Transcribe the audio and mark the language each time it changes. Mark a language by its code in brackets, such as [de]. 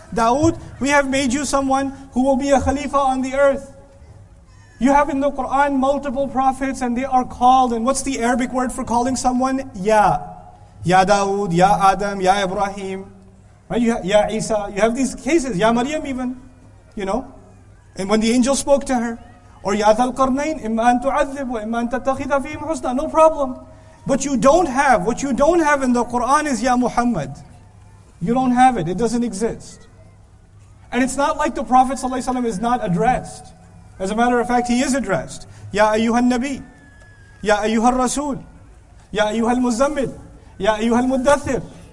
[en] Dawood, we have made you someone who will be a khalifa on the earth. You have in the Quran multiple prophets and they are called. And what's the Arabic word for calling someone? Ya. Ya Dawood, Ya Adam, Ya Ibrahim. Right? Ya Isa. You have these cases. Ya Maryam even. You know? And when the angel spoke to her, or [ar] يَا ذَا الْقَرْنَيْنِ إِمَّا أَن تُعَذِّبُ وَإِمَّا أَن تَتَّخِذَ فِيهِمْ حُسْنًا. [en] No problem. But you don't have, what you don't have in the Qur'an is يَا Muhammad. You don't have it. It doesn't exist. And it's not like the Prophet ﷺ is not addressed. As a matter of fact, he is addressed. [ar] يَا أَيُّهَا النَّبِيِّ يَا أَيُّهَا الرَّسُولِ يَا أَيُّهَا الْمُزَّمِّلِ يَا أَيُّهَا الْمُدَّثِّرِ.